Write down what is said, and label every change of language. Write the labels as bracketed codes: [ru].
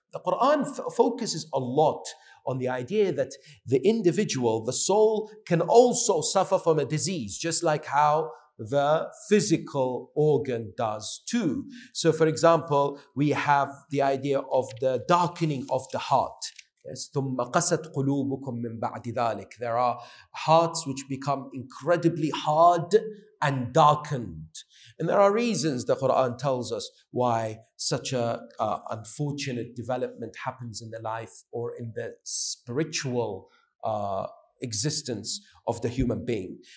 [en] The Quran focuses a lot on the idea that the individual, the soul, can also suffer from a disease, just like how the physical organ does too. So for example, we have the idea of the darkening of the heart. [ar] Yes, ثُمَّ قَسَتْ قُلُوبُكُمْ مِنْ بَعْدِ ذَلِكَ. [en] There are hearts which become incredibly hard and darkened. And there are reasons the Quran tells us why such a unfortunate development happens in the life or in the spiritual existence of the human being.